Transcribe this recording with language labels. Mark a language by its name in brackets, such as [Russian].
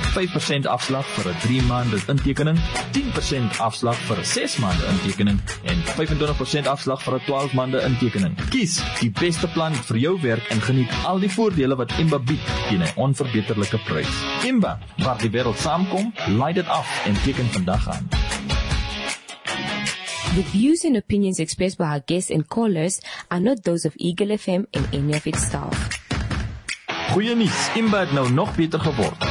[Afrikaans] 5% afslag vir 'n 3 maande intekening, 10% afslag vir 'n 6 maande intekening en 25% afslag vir 'n 12 maande intekening. Kies die beste plan vir jou werk en geniet al die voordele wat Imba bied teen 'n onverbeterlike prys. Imba, waar die wêreld saamkom, laai dit af en teken vandag aan. [English] The views and opinions expressed by our guests and callers are not those of Eagle FM and any of its staff. [Afrikaans] Goeie nuus, Imba het nou nog beter geword.